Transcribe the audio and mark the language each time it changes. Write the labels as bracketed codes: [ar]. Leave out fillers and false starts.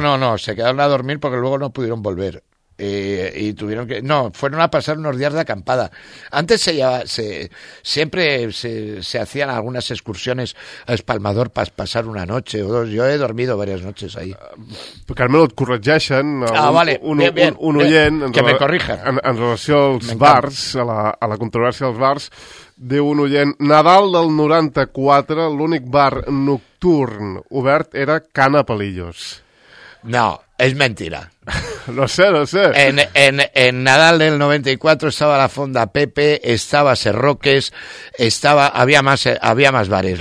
[es] No, se quedaron a dormir porque luego no pudieron volver. Y tuvieron que... No, fueron a pasar unos días de acampada. Antes siempre se hacían algunas excursiones a Espalmador para pasar una noche o dos. Yo he dormido varias noches ahí. [ca] Carmelo, et corregeixen. [es] Que me corrija. [ca] En relació als bars, a la controvèrsia dels bars, diu un oient: Nadal del 94, l'únic bar nocturn obert era Cana Palillos. [es] No, es mentira. No sé. En Nadal del 94 estaba la Fonda Pepe, estaba Serroques, había más bares.